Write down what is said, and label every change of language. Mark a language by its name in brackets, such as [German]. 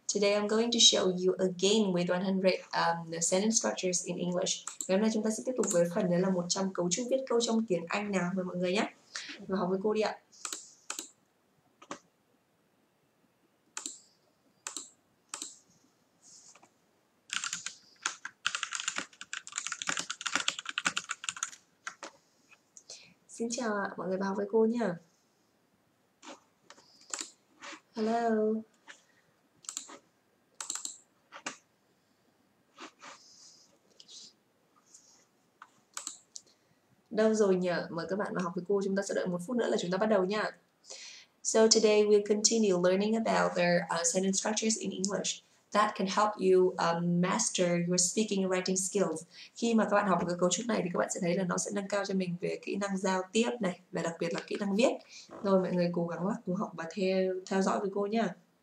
[English] Today I'm going to show you a game with 100 sentence structures in English. [Vietnamese] Ngày hôm nay chúng ta sẽ tiếp tục với phần đấy là 100 cấu trúc viết câu trong tiếng Anh nào với mọi người nhé. Và học với cô đi ạ. Xin chào ạ, mọi người vào với cô nhé. [English] Hello. [Vietnamese] Đâu rồi nhỉ? Mời các bạn vào học với cô. Chúng ta sẽ đợi một phút nữa là chúng ta bắt đầu nha. [English] So today we'll continue learning about the sentence structures in English that can help you master your speaking and writing skills. [Vietnamese] Khi mà các bạn học cái cấu trúc này thì các bạn sẽ thấy là nó sẽ nâng cao cho mình về kỹ năng giao tiếp này và đặc biệt là kỹ năng viết. Rồi mọi người cố gắng lắm, cố học và theo dõi với cô nhá.